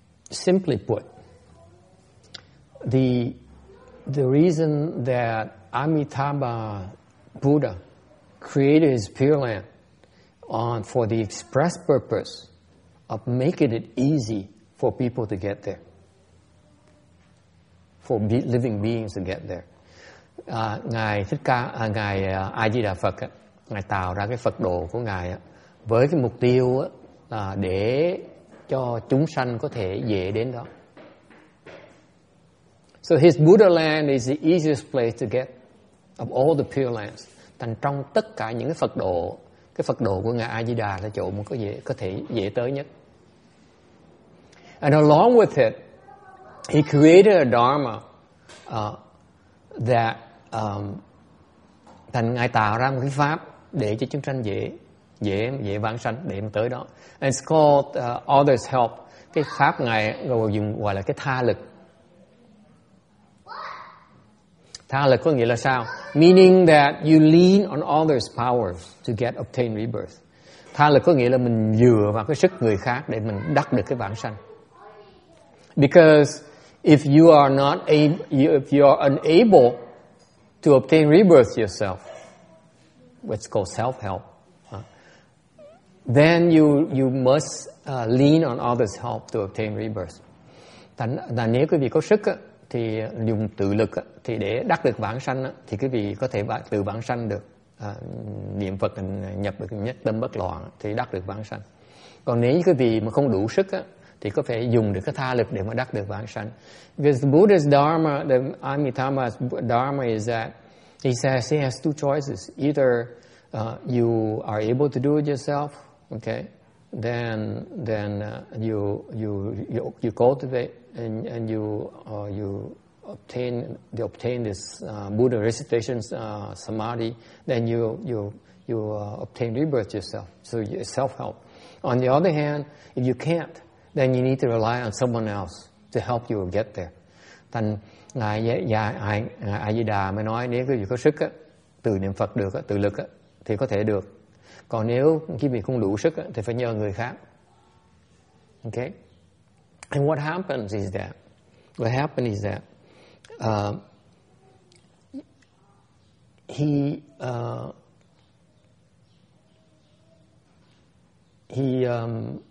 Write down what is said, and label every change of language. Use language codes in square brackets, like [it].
[en] Simply put, the reason that Amitabha Buddha created his Pure Land on for the express purpose of making it easy for people to get there, for living beings to get there. [vi] Ngài Thích Ca, ngài A Di Đà Phật, ngài tạo ra cái Phật đồ của ngài với cái mục tiêu là để cho chúng sanh có thể dễ đến đó. [en] So his Buddha Land is the easiest place to get. Of all the Pure Lands, [vi] thành trong tất cả những cái Phật độ của ngài A Di Đà là chỗ mà có thể dễ tới nhất. [en] And along with it, he created a Dharma [vi] thành ngài tạo ra một cái pháp để cho chúng sanh dễ vãng sanh để mà tới đó. [en] And it's called Others Help, [vi] cái pháp ngài gọi là cái tha lực. Tha lực có nghĩa là sao? [en] Meaning that you lean on others' powers to get obtain rebirth. [vi] Tha lực có nghĩa là mình dựa vào cái sức người khác để mình đắc được cái vãng sanh. [en] Because if you are unable to obtain rebirth yourself, what's called self-help, then you must lean on others' help to obtain rebirth. [vi] Thành nếu quý vị có sức á, thì dùng tự lực á, thì để đắc được vãng sanh á, thì quý vị có thể tự vãng sanh được, niệm Phật nhập được nhất tâm bất loạn thì đắc được vãng sanh. Còn nếu quý vị mà không đủ sức á, thì có phải dùng được cái tha lực để mà đắc được vãng sanh. [en] Because the Buddha's Dharma, the Amitabha's Dharma is that he says he has two choices. Either you are able to do it yourself, okay, then you cultivate and you obtain this Buddha recitation samadhi, then you obtain rebirth yourself. So it's self-help. On the other hand, if you can't, then you need to rely on someone else to help you get there. [vi] Thành ngài ngài A Di Đà mới nói nếu quý vị có sức á, tự niệm Phật được á, tự lực á, thì có thể được. Còn nếu quý vị không đủ sức á, thì phải nhờ người khác. [en] Okay. And what happens is that, if